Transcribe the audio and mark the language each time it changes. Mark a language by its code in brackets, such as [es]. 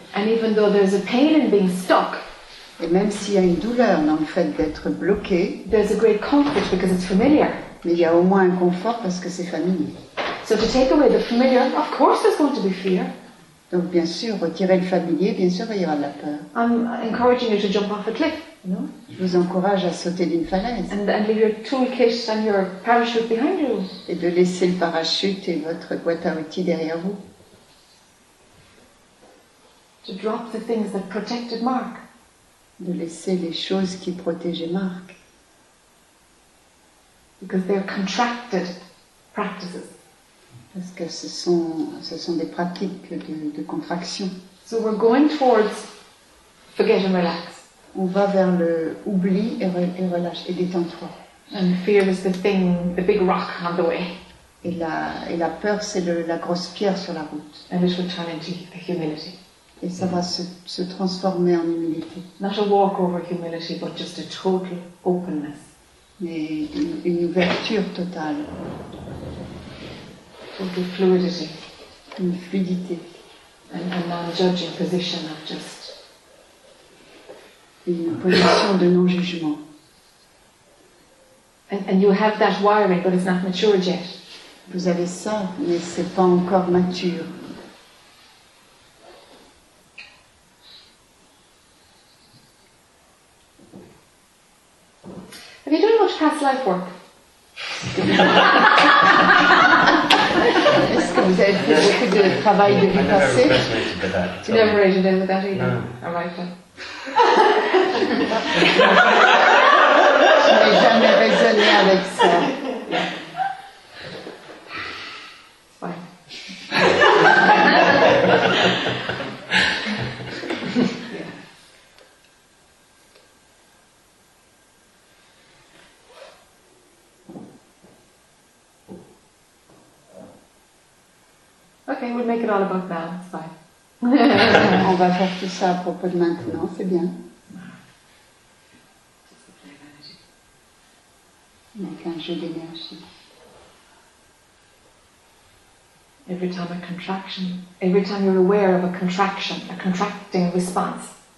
[en] And even though there's a pain in being stuck, [fr] et même s'il y a une douleur dans le fait d'être bloqué, [en] there's a great comfort because it's familiar. [fr] Mais il y a au moins un confort parce que c'est familier. [en] So to take away the familiar, of course there's going to be fear. [fr] Donc bien sûr, retirer le familier, bien sûr, il y aura de la peur. [en] I'm encouraging you to jump off a cliff, you know? [fr] Je vous encourage à sauter d'une falaise. [en] And leave your toolkit and your parachute behind you. [fr] Et de laisser le parachute et votre boîte à outils derrière vous. [en] To drop the things that protected Mark. [fr] De laisser les choses qui protégeaient Mark. [en] Because they are contracted practices. [fr] Parce que ce sont des pratiques de contraction. [en] So we're going towards forget and relax. [fr] On va vers le oubli et relâche et détends-toi. [en] And fear is the thing, the big rock on the way. [fr] Et la peur, c'est la grosse pierre sur la route. [en] And it will challenge the humility. [fr] Et ça va se transformer en humilité. [en] Not a walk over humility, but just a total openness. [fr] Mais une ouverture totale. [en] Total fluidity. [fr] Une fluidité. [en] And a non-judging position of just. [fr] Une position de non-jugement. [en] And you have that wiring, but it's not matured yet. [fr] Vous avez ça, mais c'est pas encore mature. [en] Have you done much past life work? [fr] Est-ce que vous avez fait beaucoup de travail de vie passée? [en] You never resonated with that either. No. I like that. [fr] Je n'ai jamais résonné avec ça. [en] Okay, we'll make it all about now, it's fine. [fr] On va faire tout ça à propos de maintenant, c'est bien. Avec un jeu d'énergie. [en] Every time you're aware of a contraction, a contracting response.